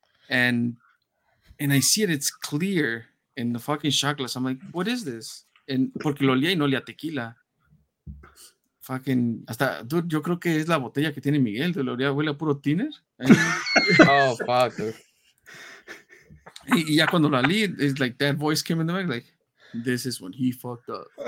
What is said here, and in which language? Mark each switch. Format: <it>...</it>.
<en>And I see it, it's clear in the fucking shot glass. I'm like, what is this? And</en> <es>porque lo olía y no olía tequila. Fucking, hasta, dude, yo creo que es la botella que tiene Miguel. Lo olía, huele a puro tiner.</es> <en>Oh, fuck, dude.</en> <es>Y ya cuando lo leí,</es> <en>it's like that voice came in the back, like, this is when he fucked up.</en>